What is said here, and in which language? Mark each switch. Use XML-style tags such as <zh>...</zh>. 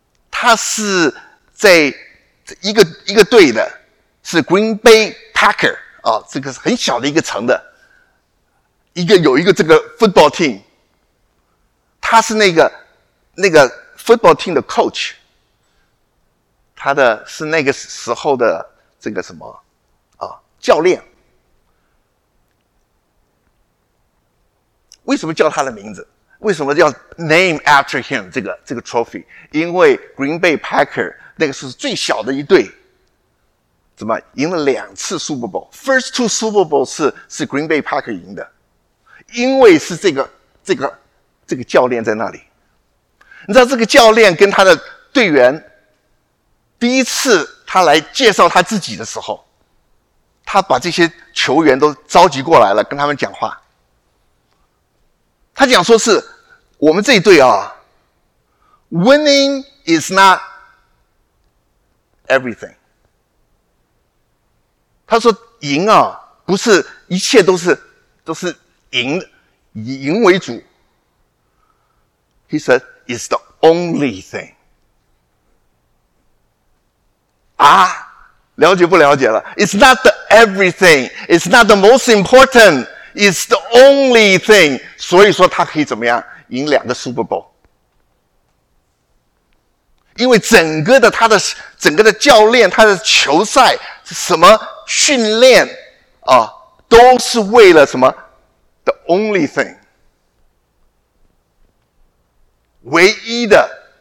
<zh>他是在一个队的，是 Green Bay Packer 啊，这个是很小的一个城的，有一个这个 football team， 他是那个 football team 的 coach， 他的是那个时候的这个什么啊教练。为什么叫他的名字？为什么叫</zh> <en>name after him</en> <zh>这个 trophy？因为 Green Bay Packer 那个是最小的一队，怎么赢了两次 Super Bowl？</zh> <en>First two</en> <zh>Super Bowl 是 Green Bay Packer 赢的，因为是这个教练在那里。你知道这个教练跟他的队员第一次他来介绍他自己的时候，他把这些球员都召集过来了，跟他们讲话。他讲说是我们这一队啊 ，</zh> <en>winning is not everything。</en> <zh>他说赢啊，不是一切都是赢，以赢为主。</zh> <en>He said it's the only thing。</en> <zh>啊，了解不了解了 ？</zh> <en>It's not the everything. It's not the most important. It's the only thing，</en> <zh>所以说他可以怎么样赢两个 Super Bowl， 因为整个的教练他的球赛什么训练啊，都是为了什么</zh> <en>the only thing，</en> <zh>唯一的。</zh>